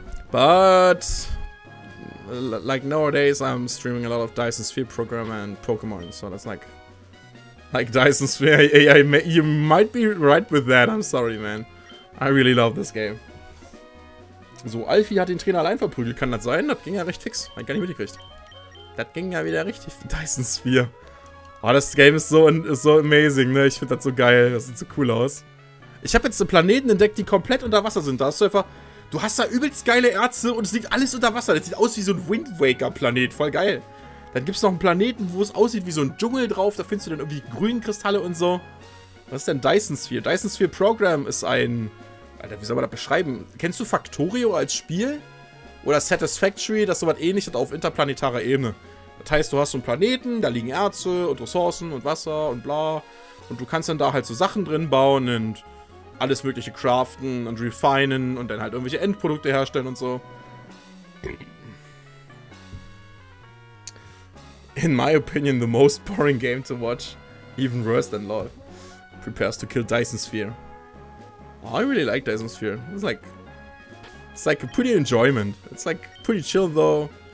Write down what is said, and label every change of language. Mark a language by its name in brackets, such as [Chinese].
[English] But, like nowadays, I'm streaming a lot of Dyson Sphere program and Pokemon, so that's like Dyson Sphere, you might be right with that, I'm sorry, man. I really love this game. [German] So, Alfie hat den Trainer allein verprügelt, kann das sein? Das ging ja recht fix, hat gar nicht mitgekriegt. Das ging ja wieder richtig, Dyson Sphere. Oh, das Game ist so amazing, ne, ich finde das so geil, das sieht so cool aus. Ich habe jetzt so Planeten entdeckt, die komplett unter Wasser sind, da hast du einfach... Du hast da übelst geile Erze und es liegt alles unter Wasser. Das sieht aus wie so ein Wind Waker-Planet. Voll geil. Dann gibt es noch einen Planeten, wo es aussieht wie so ein Dschungel drauf. Da findest du dann irgendwie grünen Kristalle und so. Was ist denn Dyson Sphere? Dyson Sphere Program ist ein... Alter, wie soll man das beschreiben? Kennst du Factorio als Spiel? Oder Satisfactory, das ist sowas ähnliches auf interplanetarer Ebene. Das heißt, du hast so einen Planeten, da liegen Erze und Ressourcen und Wasser und bla. Und du kannst dann da halt so Sachen drin bauen und... alles mögliche craften und refinen und dann halt irgendwelche Endprodukte herstellen und so. [English] In my opinion, the most boring game to watch. Even worse than LOL. Prepares to kill Dyson Sphere. Oh, I really like Dyson Sphere. It's like a pretty enjoyment. It's like pretty chill though.